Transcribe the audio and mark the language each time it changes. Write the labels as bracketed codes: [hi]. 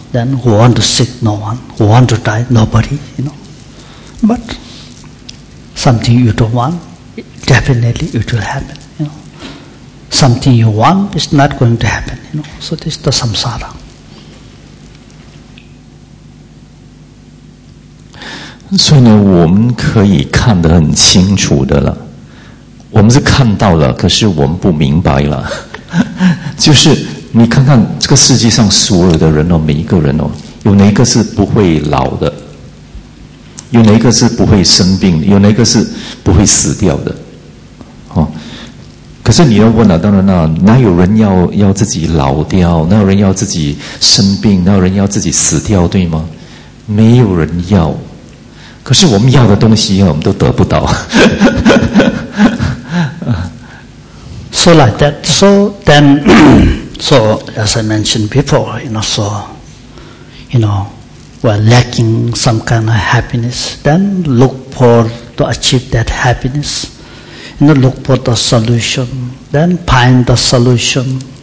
[en] Then who want to sick? No one. Who want to die? Nobody. You know. But something you don't want, definitely it will happen. Something you want is not going to happen, you know. So this is the samsara. [zh] 所以呢，我们可以看得很清楚的了。我们是看到了，可是我们不明白了。就是你看看这个世界上所有的人哦，每一个人哦，有哪一个是不会老的？有哪一个是不会生病？有哪一个是不会死掉的？哦，可是你要问了，当然了，哪有人要自己老掉？哪有人要自己生病？哪有人要自己死掉？对吗？没有人要。可是我们要的东西我们都得不到。 [en] So like that. So then, so as I mentioned before, you know, so, you know, we're lacking some kind of happiness. Then look for to achieve that happiness. You know, look for the solution. Then find the solution.